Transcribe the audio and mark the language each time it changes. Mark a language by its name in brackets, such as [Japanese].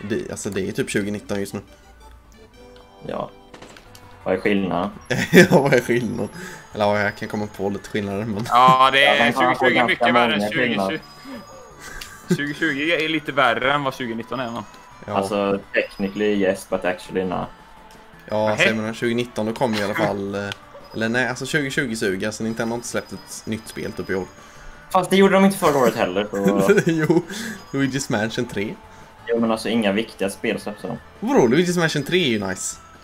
[Swedish] Alltså det är typ 2019 just nu. Ja. Vad är skillnaden? Ja, vad är skillnaden? Eller ja, jag kan komma på lite skillnader, men... Ja, det är 2020 mycket värre än 2020. 2020 är lite värre än vad 2019 är, man. Ja. [English] Alltså, technically yes, but actually no. [Swedish] Ja, alltså, jag menar, 2019 då kommer i alla fall... Eller nej, alltså 2020 suger, alltså Nintendo har inte släppt ett nytt spel typ i år. Fast det gjorde de inte förra året heller, så... Jo, Luigi's Mansion 3. Jo, men alltså, inga viktiga spel släpps de. Vadå, Luigi's Mansion 3 är ju nice.